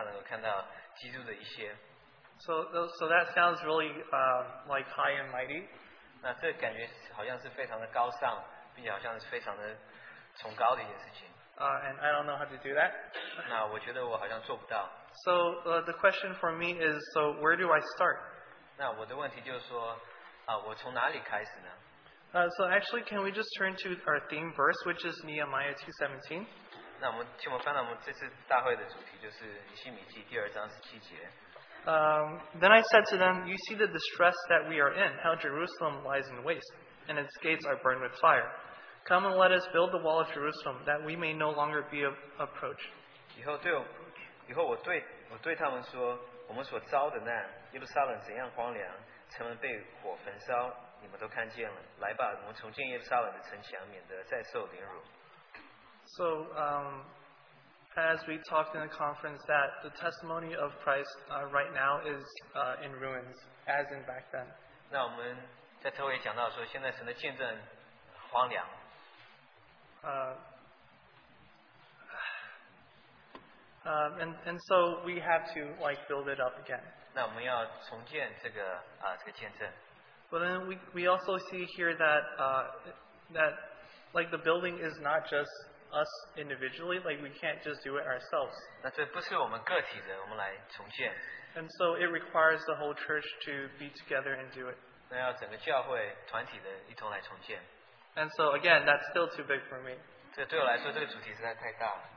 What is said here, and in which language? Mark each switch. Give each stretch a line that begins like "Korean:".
Chinese: 就是当别人看到我们的时候，他们能够看到这个见证，在我们身上能够看到基督的一些。
English: So that sounds really like high and mighty.
Chinese: 那这感觉好像是非常的高尚，并且好像是非常的崇高的一件事情。
English: And I don't know how to do that.
Chinese: 那我觉得我好像做不到。So
English: the question for me is, so where do I start?
Chinese: 那我的问题就是说，我从哪里开始呢？
English: Can we just turn to our theme verse, which is Nehemiah 2:17?
Chinese: 那我们请我们翻到我们这次大会的主题，就是以西米记第二章十七节。
English: Then I said to them, you see the distress that we are in, how Jerusalem lies in waste, and its gates are burned with fire. Come and let us build the wall of Jerusalem, that we may no longer be approached.
Chinese: 以后对我对他们说，我们所遭的难，耶路撒冷怎样荒凉，城门被火焚烧，你们都看见了。来吧，我们重建耶路撒冷的城墙，免得再受凌辱。
English: So, as we talked in the conference, that the testimony of Christ right now is in ruins, as in back then.
Chinese: 那我们在特会讲到说, 现在神的见证荒凉。
English: And so we have to like build it up again.
Chinese: 那我们要重建这个, 这个见证。
English: But then we also see here that that like the building is not just us individually, like we can't just do it ourselves.
Chinese: 那这不是我们个体的, 我们来重建。
English: And so it requires the whole church to be together and do it.
Chinese: 那要整个教会团体的一同来重建。
English: And so again, that's still too big for me.
Chinese: 这对我来说这个主题实在太大了。